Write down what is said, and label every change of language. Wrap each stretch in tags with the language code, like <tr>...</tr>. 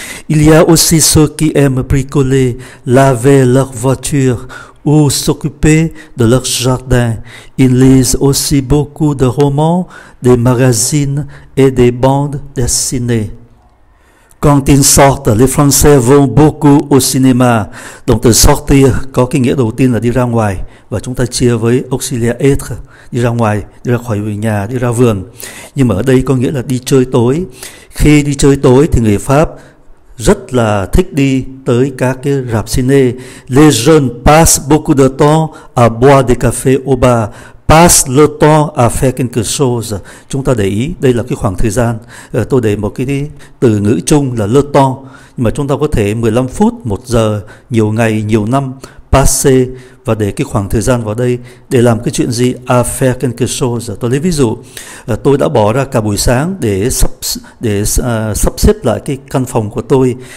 <fr>Il y a aussi ceux qui aiment bricoler, laver leur voiture ou s'occuper de leur jardin. Ils lisent aussi beaucoup de romans, des magazines et des bandes dessinées. Quand ils sortent, les Français vont beaucoup au cinéma. Donc, de sortir,</fr> <vi>có cái nghĩa đầu tiên là đi ra ngoài. Và chúng ta chia với auxilia être, đi ra ngoài, đi ra khỏi nhà, đi ra vườn. Nhưng mà ở đây có nghĩa là đi chơi tối. Khi đi chơi tối thì người Pháp rất là thích đi tới các cái rạp ciné.</vi> <fr>Les jeunes passent beaucoup de temps à boire des cafés au bar. Passe le temps à faire quelque chose.</fr> <vi>Chúng ta để ý, đây là cái khoảng thời gian. Tôi để một cái từ ngữ chung là le temps. Nhưng mà chúng ta có thể 15 phút, 1 giờ, nhiều ngày, nhiều năm, passer và để cái khoảng thời gian vào đây để làm cái chuyện gì?</vi> <fr>À faire quelque chose.</fr> <vi>Tôi lấy ví dụ, tôi đã bỏ ra cả buổi sáng để sắp xếp lại cái căn phòng của tôi.</vi>